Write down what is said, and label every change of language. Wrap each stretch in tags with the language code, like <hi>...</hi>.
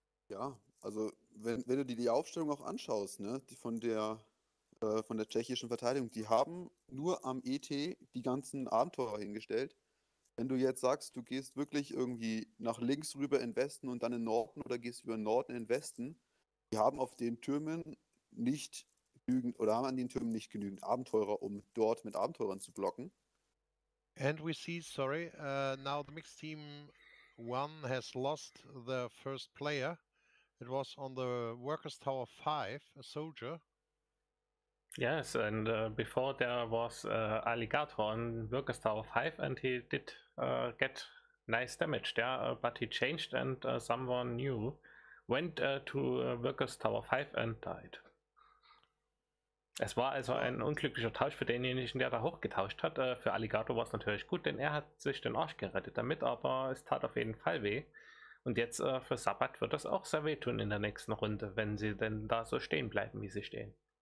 <de>Ja, also wenn du dir die Aufstellung auch anschaust, ne, die von der tschechischen Verteidigung, die haben nur am ET die ganzen Abenteurer hingestellt. Wenn du jetzt sagst, du gehst wirklich irgendwie nach links rüber in Westen und dann in Norden oder gehst über Norden in Westen, die haben auf den Türmen nicht genügend oder haben an den Türmen nicht genügend Abenteurer, um dort mit Abenteurern zu blocken.</de> <en>And we see, sorry, now the mixed team one has lost the first player. It was on the Workers Tower 5, a soldier. Yes, and before there was Alligator on Workers Tower 5 and he did get nice damage there, but he changed and someone new went to Workers Tower 5 and died.</en> <de>Es war also ein unglücklicher Tausch für denjenigen, der da hochgetauscht hat. Für Alligator war es natürlich gut, denn er hat sich den Arsch gerettet damit, aber es tat auf jeden Fall weh. Und jetzt für Sabbat wird das auch sehr wehtun in der nächsten Runde, wenn sie denn da so stehen bleiben, wie sie stehen.</de>